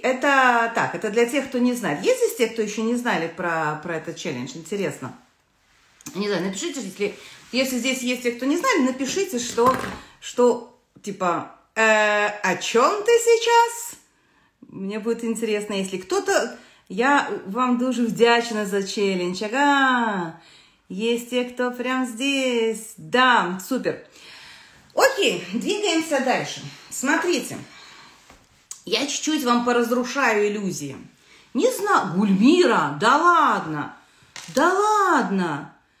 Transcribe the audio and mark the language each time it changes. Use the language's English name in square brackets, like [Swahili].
[Russian] Это так, это для тех, кто не знает. Есть здесь те, кто еще не знали про этот челлендж? Интересно. Не знаю, напишите, если здесь есть те, кто не знали, напишите, что типа, о чем ты сейчас? Мне будет интересно, если кто-то... [Ukrainian] Я вам дуже вдячна за челлендж. [Russian] Ага, есть те, кто прям здесь. Да, супер. Окей, двигаемся дальше. Смотрите, я чуть-чуть вам поразрушаю иллюзии. Не знаю, Гульмира, да ладно, да ладно.